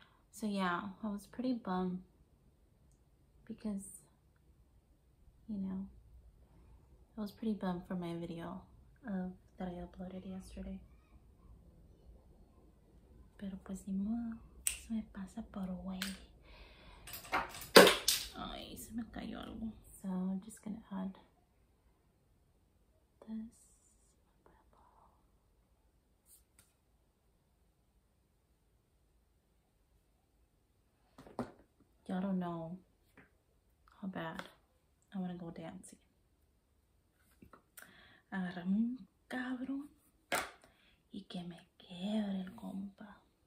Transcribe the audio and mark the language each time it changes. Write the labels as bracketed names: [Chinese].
[English] So yeah, I was pretty bummed because, you know, I was pretty bummed for my video that I uploaded yesterday. [Spanish] Pero pues ni modo, se me pasa por wey. Ay, se me cayó algo. [English] So I'm just gonna add this purple. Y'all don't know how bad I wanna go dancing. [Spanish] Agarrame un cabrón y que me quebre el compa.